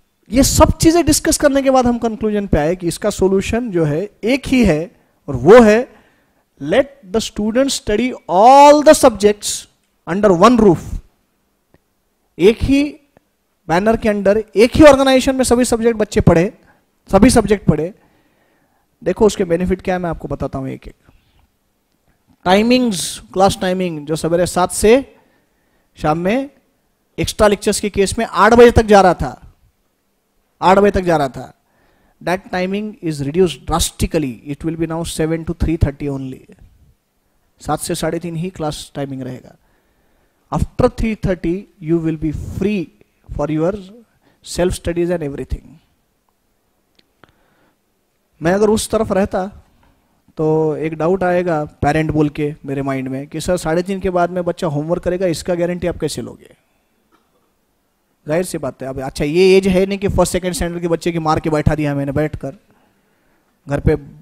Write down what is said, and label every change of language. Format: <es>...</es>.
<hi>ये सब चीजें डिस्कस करने के बाद हम कंक्लूजन पे आए कि इसका सॉल्यूशन जो है एक ही है, और वो है</hi> <en>let the student study all the subjects under 1 roof,</en> <hi>एक ही बैनर के अंडर, एक ही ऑर्गेनाइजेशन में सभी सब्जेक्ट बच्चे पढ़े, सभी सब्जेक्ट पढ़े। देखो उसके बेनिफिट क्या है, मैं आपको बताता हूं एक एक। टाइमिंग्स, क्लास टाइमिंग जो सवेरे 7 से शाम में एक्स्ट्रा लेक्चर्स के केस में 8 बजे तक जा रहा था, 8 बजे तक जा रहा था,</hi> <en>that timing is reduced drastically. It will be now 7 to 3:30 only. 7 to 3:30</en> <hi>he class timing रहेगा.</hi> <en>After 3:30 you will be free for your self studies and everything.</en> <hi>मैं अगर उस तरफ रहता तो एक doubt आएगा parent बोल के मेरे mind में कि sir 3:30 के बाद में बच्चा homework करेगा, इसका guarantee आप कैसे लोगे? जाहिर सी बात है. अब अच्छा ये एज है नहीं कि फर्स्ट सेकंड स्टैंडर्ड के बच्चे की मार के बैठा दिया मैंने बैठकर घर पे.</hi>